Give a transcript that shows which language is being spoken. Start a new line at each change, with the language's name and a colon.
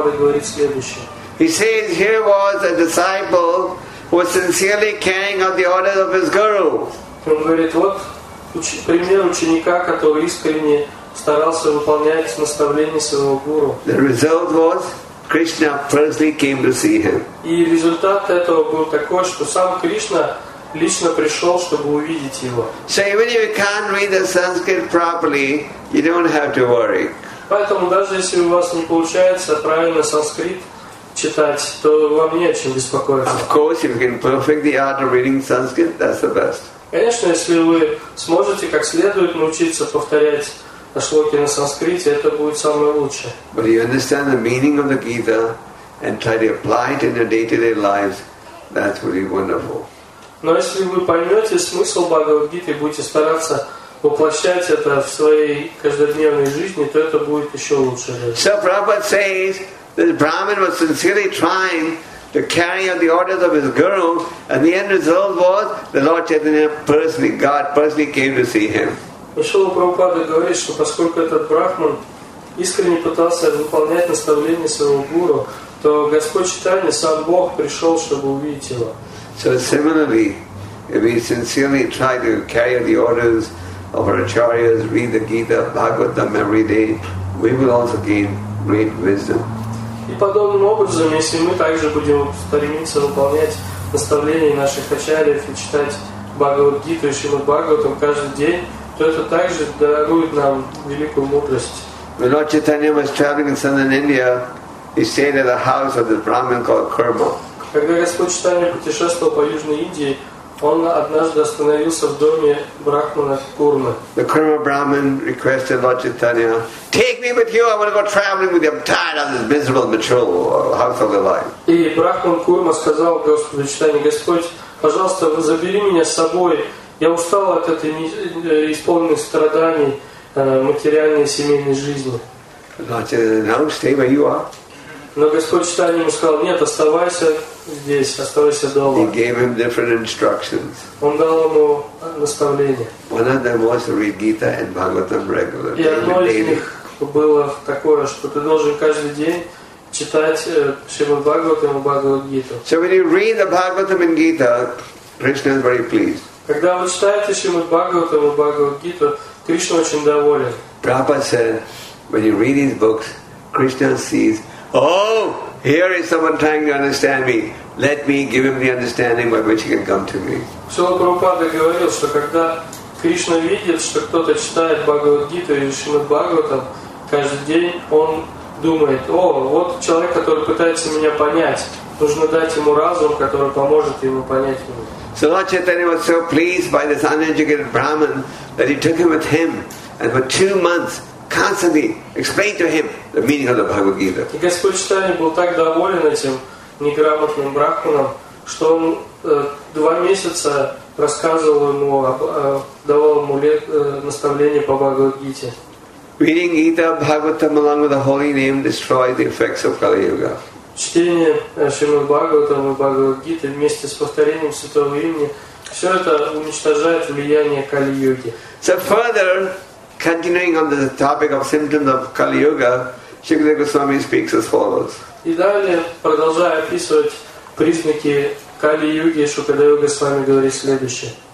English: He says, here was a disciple who was sincerely carrying out the orders of his guru. The result was, Krishna personally came to see him.
Russian: Лично пришел, чтобы увидеть его.
English: So even if you can't read the Sanskrit properly, you don't have to worry.
Russian: Поэтому даже если у вас не получается правильно санскрит читать, то вам не о чем беспокоиться.
English: Of course, if you can perfect the art of reading Sanskrit, that's the best.
Russian: Конечно, если вы сможете как следует научиться повторять шлоки на санскрите, это будет самое лучшее.
English: But you understand the meaning of the Gita and try to apply it in your day-to-day lives, that's really wonderful.
Russian: Но если вы поймете смысл Бхагавад-гиты и будете стараться воплощать это в своей каждодневной жизни, то это будет еще лучше.
English: So Prabhupada says that Brahman was sincerely trying to carry out the orders of his guru, and the end result was the Lord Chaitanya personally, God personally came to see him.
Russian: Шрила Прабхупада говорит, что поскольку этот брахман искренне пытался выполнять наставления своего гуру, то Господь Читания, сам Бог, пришел, чтобы увидеть его.
English: So similarly, if we sincerely try to carry the orders of our acharyas, read the Gita, Bhagavatam every day, we will also gain great wisdom.
Russian: И подобным образом, если мы также будем стремиться выполнять наставления наших ачарьев и читать Бхагавад-гиту и Шримад-Бхагаватам каждый день, то это также дарует нам великую мудрость.
English: When Lord Chaitanya was traveling in southern India, he stayed at the house of this Brahmin called Kurma.
Russian: Когда Господь Читания путешествовал по Южной Индии, он однажды остановился в доме Брахмана Курмы.
English: The Kurma Brahmin requested Lord Chaitanya, "Take me with you, I want to go traveling with you, I'm tired of this miserable material house of the life."
Russian: И Брахман Курма сказал Господу Читания, "Господь, пожалуйста, вы забери меня с собой, я устал от этой исполненной страданий материальной семейной жизни."
English: Lord Chaitanya, "No, stay where you are."
Russian: Но Господь Читания ему сказал, нет, оставайся здесь, оставайся дома.
English: He gave him different instructions.
Russian: Он дал ему наставления.
English: One of them was to read Gita and Bhagavatam regularly.
Russian: И одно из них было такое, что ты должен каждый день
English: So when you read the Bhagavatam and Gita, Krishna is very pleased.
Russian: Когда вы читаете Шримад Бхагаватам и Бхагавад Гиту, Кришна очень доволен.
English: Prabhupada said, when you read these books, Krishna sees, oh, here is someone trying to understand me. Let me give him the understanding by which he can come to me.
Russian: Шрила Прабхупада говорил, что когда Кришна видит, что кто-то читает Бхагавад Гиту и Шримад Бхагаватам, каждый день он думает, о, вот человек, который пытается меня понять, нужно дать ему разум, который поможет ему понять меня.
English: So Lord Chaitanya was so pleased by this uneducated Brahman that he took him with him and for 2 months constantly explained to him the meaning of the Bhagavad Gita.
Russian: И Господь Читания был так доволен этим неграмотным брахманом, что он 2 месяца рассказывал ему, давал ему наставление по Бхагавад Гите.
English: Reading Gita, Bhagavatam along with the holy name destroyed the effects of Kali Yuga.
Russian: Чтение Шримад Бхагаватам и Бхагавад Гиты вместе с повторением Святого Имени все это уничтожает влияние Кали-Юги.
English: So further, continuing on the topic of symptoms of Kali-Yuga, Shukadeva Goswami speaks as follows.
Russian: И далее, продолжая описывать признаки Кали-Юги, Шукадева Госвами говорит следующее.